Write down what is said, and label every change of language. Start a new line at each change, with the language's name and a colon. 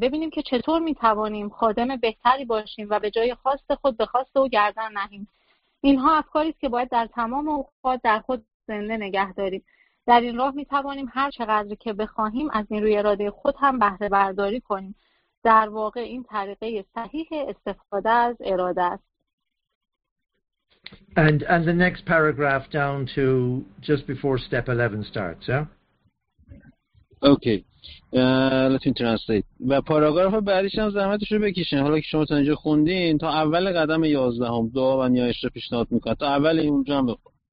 Persian: ببینیم که چطور می توانیم خادم بهتری باشیم و به جای خواست خود به خواست او گردن نهیم. اینها افکاری است که باید در تمام اوقات در خود زنده نگه داریم. در این راه می توانیم هر چقدر که بخواهیم از نیروی اراده خود هم بهره برداری کنیم. در واقع این طریقه صحیح استفاده از اراده است.
English: And the next paragraph down to just before step 11 starts, yeah? Okay. Let me translate.
Persian: و پاراگراف بعدیش هم زحمتش رو بکشین. حالا که شما تا اینجا خوندین تا اول قدم 11 هم دعا و نیایش رو پیشنهاد میکنه. تا اول اونجا هم بخون.